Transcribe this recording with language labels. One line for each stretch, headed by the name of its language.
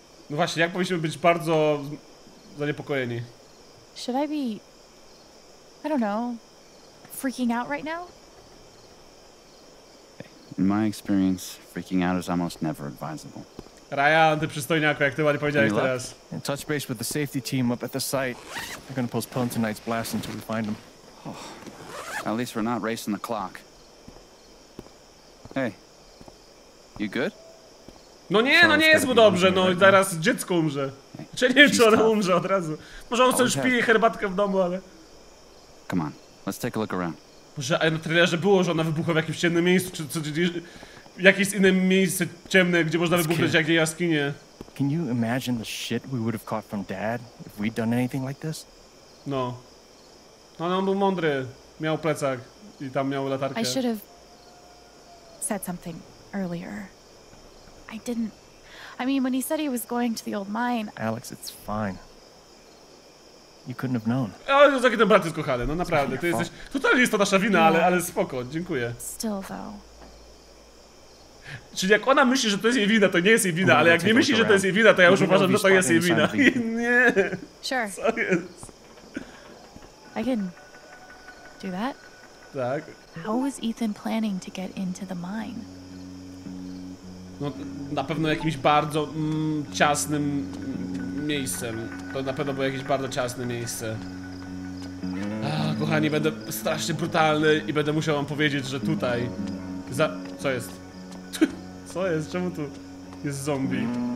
Polish: No właśnie, jak powinniśmy być bardzo zaniepokojeni?
English: Should I be, I don't know, freaking out right now? In my experience, freaking out is almost never advisable.
Polish: Ryan, ty przystojniaku, jak ty ładnie powiedziałeś teraz.
English: And touch base with the safety team up at the site. They're gonna postpone tonight's blast until we find them. Oh, at least we're not racing the clock. Hey, you good?
Polish: No nie, no nie jest mu dobrze, no i zaraz dziecko umrze. Czy nie wiem, czy ona umrze od razu. Może on sobie już pije herbatkę w domu, ale...
English: Come on, let's take a look around.
Polish: Boże, a na trailerze było, że ona wybuchła w jakimś ciemnym miejscu, czy jakieś inne miejsce ciemne, gdzie można wybuchnąć, jak w jaskinie.
English: Can you imagine the shit we would have caught from dad, if we'd done anything like this?
Polish: No. No, ale on był mądry. Miał plecak. I tam miał latarkę.
English: I should have said something earlier. I didn't. I mean, when he said he was going to the old mine. Alex, it's fine. You couldn't have known.
Polish: Ale za kiedy brat jest kochany, no naprawdę, ty jesteś. Totalnie jest to nasza wina, ale spoko, dziękuję.
English: Still though.
Polish: Czyli jak ona myśli, że to jest jej wina, to nie jest jej wina, ale jak nie myśli, że to jest jej wina, to ja już uważam, że to jest jej wina. Nie.
English: Sure.
Polish: Co jest?
English: I can do that.
Polish: Tak.
English: How was Ethan planning to get into the mine?
Polish: No, na pewno jakimś bardzo ciasnym miejscem. To na pewno było jakieś bardzo ciasne miejsce. Ach, kochani, będę strasznie brutalny i będę musiał wam powiedzieć, że tutaj Co jest? Co jest? Czemu tu jest zombie?